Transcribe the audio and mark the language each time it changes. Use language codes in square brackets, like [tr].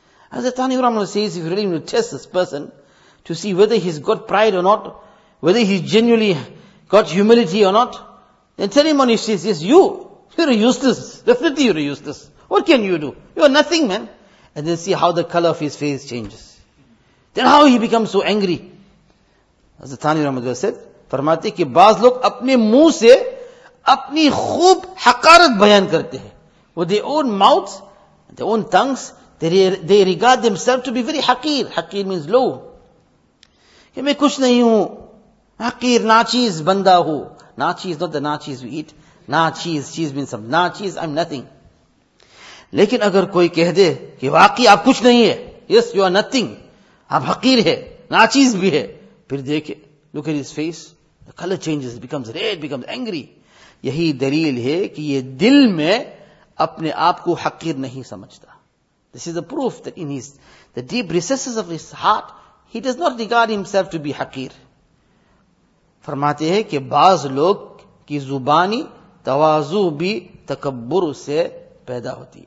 [en] As the Tani Ramana says, if you really want to test this person to see whether he's got pride or not, whether he's genuinely got humility or not, then tell him on his face, yes, you're useless. Definitely you're useless. What can you do? You're nothing, man. And then see how the color of his face changes. Then how he becomes so angry. As the Tani Ramana said, [ur] فرماتے کہ بعض لوگ اپنے منہ سے اپنی خوب حقارت بیان کرتے ہیں. [en] With their own mouths, their own tongues, they regard themselves to be very حقیر. [ur] حقیر [en] means low. [ur] کہ میں کچھ نہیں ہوں. حقیر, ناچیز بندہ ہو. ناچیز, [en] not the [ur] ناچیز [en] we eat. [ur] ناچیز, چیز means something. ناچیز, [en] I'm nothing. [ur] لیکن اگر کوئی کہہ دے کہ واقعی آپ کچھ نہیں ہے. [en] Yes, you are nothing. [ur] آپ حقیر ہے. ناچیز بھی ہے. پھر دیکھیں. [en] Look at his face. The color changes. It becomes red, becomes angry. [ur] یہی دلیل ہے کہ یہ دل میں اپنے آپ کو حقیر نہیں سمجھتا. [en] This is the proof that in his, the deep recesses of his heart, he does not regard himself to be حقیر. [ur] فرماتے ہیں کہ بعض لوگ کی زبانی تواضع بھی تکبر سے پیدا ہوتی.